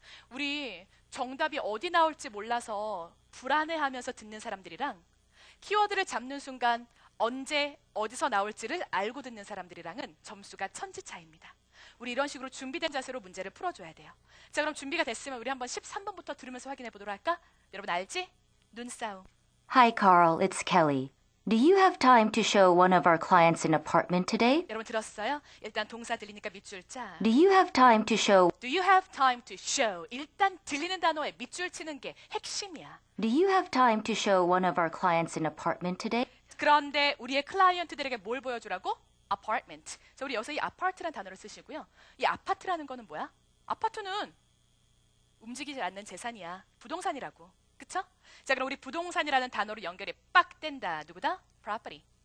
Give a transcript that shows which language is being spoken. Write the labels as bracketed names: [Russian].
[Korean] 우리 정답이 어디 나올지 몰라서 불안해하면서 듣는 사람들이랑 키워드를 잡는 순간 언제 어디서 나올지를 알고 듣는 사람들이랑은 점수가 천지 차이입니다. 우리 이런 식으로 준비된 자세로 문제를 풀어줘야 돼요. 자, 그럼 준비가 됐으면 우리 한번 13번부터 들으면서 확인해 보도록 할까? 여러분 알지? 눈싸움. [English] Hi Carl, it's Kelly. Do you have time to show one of our clients an apartment today? [Korean] 여러분 들었어요? 일단 동사 들리니까 밑줄 짜. [English] Do you have time to show? Do you have time to show? [Korean] 일단 들리는 단어에 밑줄 치는 게 핵심이야. [English] Do you have time to show one of our clients an apartment today? [Korean] 그런데 우리의 클라이언트들에게 뭘 보여주라고? Apartment. 자, 우리 여기서 이 apart라는 단어를 쓰시고요. 이 apart라는 거는 뭐야? 아파트는 움직이지 않는 재산이야. 부동산이라고. 그쵸? 자, 그럼 우리 부동산이라는 단어로 연결이 빡 된다. 누구다? Property.